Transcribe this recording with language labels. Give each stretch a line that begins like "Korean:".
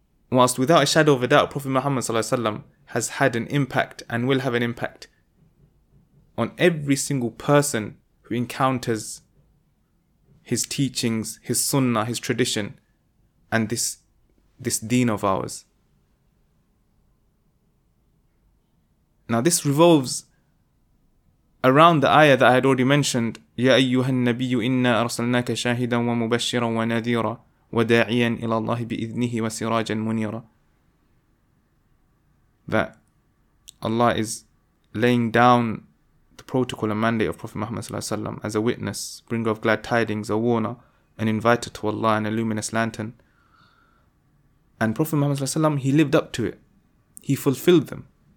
English: Whilst without a shadow of a doubt, Prophet Muhammad sallallahu alaihi wasallam has had an impact and will have an impact on every single person who encounters his teachings, his sunnah, his tradition, and this deen of ours. Now this revolves around the ayah that I had already mentioned,
Arabic: يَا أَيُّهَا النَّبِيُّ إِنَّا أَرْسَلْنَاكَ شَاهِدًا وَمُبَشِّرًا وَنَذِيرًا وَدَاعِيًا إِلَى اللَّهِ بِإِذْنِهِ وَسِرَاجًا مُنِيرًا.
English: That Allah is laying down the protocol and mandate of Prophet Muhammad sallallahu alaihi wasallam as a witness, bringer of glad tidings, a warner, an inviter to Allah, and a luminous lantern. And Prophet Muhammad sallallahu alaihi wasallam, he lived up to it. He fulfilled them.